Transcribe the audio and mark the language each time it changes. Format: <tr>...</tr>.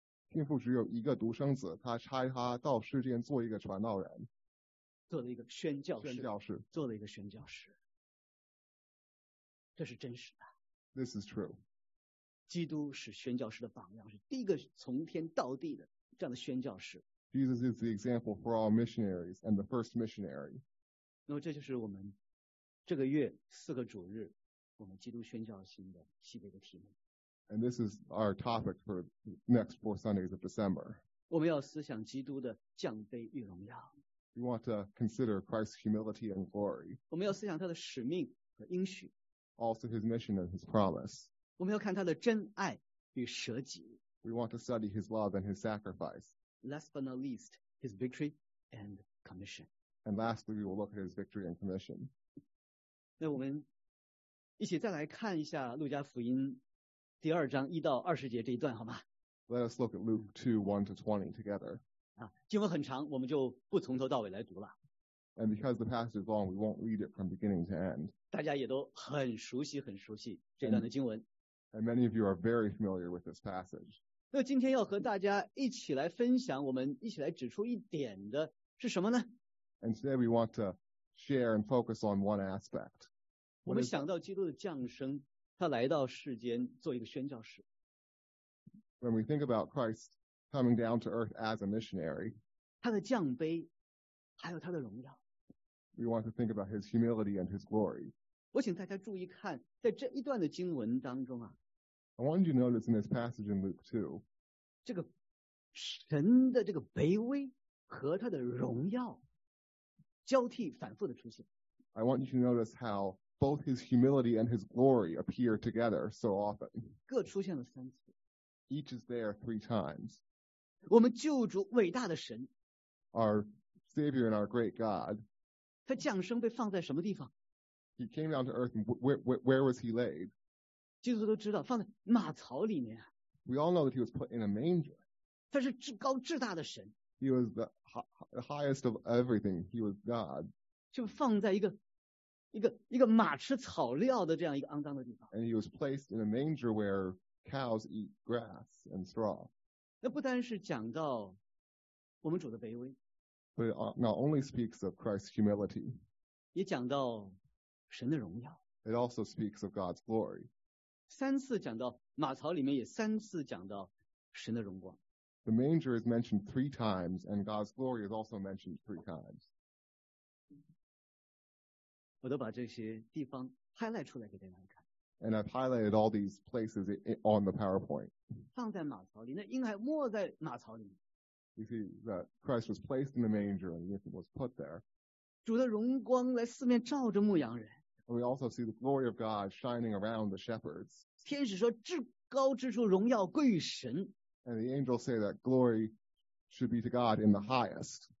<zh>天父只有一个独生子，他差他到世间做一个传道人，做了一个宣教士，宣教士，做了一个宣教士，这是真实的。</zh> <en>This is true.</en> <zh>基督是宣教士的榜样，是第一个从天到地的这样的宣教士。</zh> <en>Jesus is the example for all missionaries and the first missionary.</en> <zh>那么这就是我们这个月四个主日我们基督宣教心的系列的题目。</zh> <en>And this is our topic for the next four Sundays of December.</en> <zh>我们要思想基督的降卑与荣耀。</zh> <en>We want to consider Christ's humility and glory.</en> <zh>我们要思想他的使命和应许。</zh> <en>Also his mission and his promise.</en> <zh>我们要看他的真爱与舍己。</zh> <en>We want to study his love and his sacrifice. Last but not least, his victory and commission. And lastly, we will look at his victory and commission.</en> <zh>那我们一起再来看一下路加福音。第二章一到二十节这一段好吗</zh> <en>？Let us look at Luke 2:1-20 together.</en> <zh>经文很长，我们就不从头到尾来读了。</zh> <en>And because the passage is long, we won't read it from beginning to end.</en> <zh>大家也都很熟悉，很熟悉这段的经文。</zh> <en>And many of you are very familiar with this passage.</en> <zh>那今天要和大家一起来分享，我们一起来指出一点的是什么呢？</zh> <en>And today we want to share and focus on one aspect.</en> <zh>我们想到基督的降生，他来到世间做一个宣教士。</zh> <en>When we think about Christ coming down to earth as a missionary,</en> <zh>他的降卑还有他的荣耀。</zh> <en>We want to think about his humility and his glory.</en> <zh>我请大家注意看，在这一段的经文当中啊。</zh> <en>I want you to notice in this passage in Luke 2,</en> <zh>这个神的这个卑微和他的荣耀交替反复的出现。</zh> <en>I want you to notice how both his humility and his glory appear together so often.</en> <zh>各出现了三次。</zh> <en>Each is there three times.</en> <zh>我们救主伟大的神。</zh> <en>Our Savior and our great God.</en> <zh>他降生被放在什么地方？</zh> <en>He came down to earth and where was he laid?</en> <zh>基督都知道放在马槽里面。</zh> <en>We all know that he was put in a manger.</en> <zh>他是至高至大的神。</zh> <en>He was the highest of everything. He was God.</en> <zh>就放在一个马吃草料的这样一个肮脏的地方。</zh> <en>And he was placed in a manger where cows eat grass and straw.</en> <zh>那不单是讲到我们主的卑微。</zh> <en>But it not only speaks of Christ's humility.</en> <zh>也讲到神的荣耀。</zh> <en>It also speaks of God's glory.</en> <zh>三次讲到马槽里面，也三次讲到神的荣光。</zh> <en>The manger is mentioned three times, and God's glory is also mentioned three times.</en> <zh>我都把这些地方 highlight 出来给大家看。</zh> <en>And I've highlighted all these places on the PowerPoint.</en> <zh>放在马槽里，那婴孩没在马槽里。</zh> <en>You see that Christ was placed in the manger and it was put there.</en> <zh>主的荣光来四面照着牧羊人。</zh> <en>We also see the glory of God shining around the shepherds.</en> <zh>天使说至高之处荣耀归于神。</zh> <en>And the angels say that glory should be to God in the highest.</en>